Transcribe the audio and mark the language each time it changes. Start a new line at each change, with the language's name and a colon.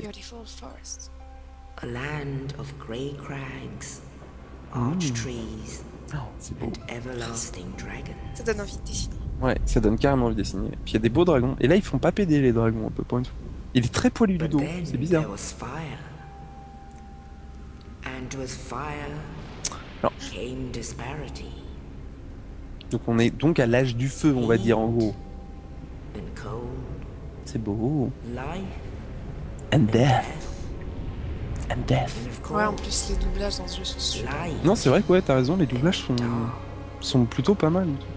English: Beautiful forest. A land of grey crags, arch trees, and everlasting dragons.
French: Ça donne envie de dessiner. Ouais, ça donne carrément envie de dessiner. Puis il y a des beaux dragons. Et là, ils font pas péder les dragons, un peu, pour une fois. Il est très poilu du dos, c'est bizarre.
English: There was fire. And with fire came disparity.
French: Donc on est donc à l'âge du feu, on va dire, en gros.
English: And cold.
French: C'est beau.
English: Life and death. And death.
French: Ouais, en plus, les doublages dans ce jeu sont super. Non, c'est vrai que ouais, t'as raison, les doublages sont plutôt pas mal.